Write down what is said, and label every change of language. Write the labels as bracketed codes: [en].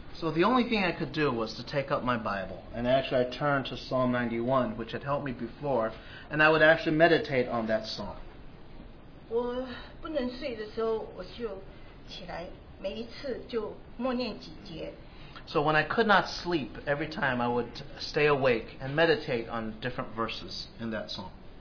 [en] So the only thing I could do was to take up my Bible, and actually I turned to Psalm 91, which had helped me before, and I would actually meditate on that psalm. [zh] 我不能睡的时候，我就起来，每一次就默念几节。 [en] So when I could not sleep, every time I would stay awake and meditate on different verses in that psalm.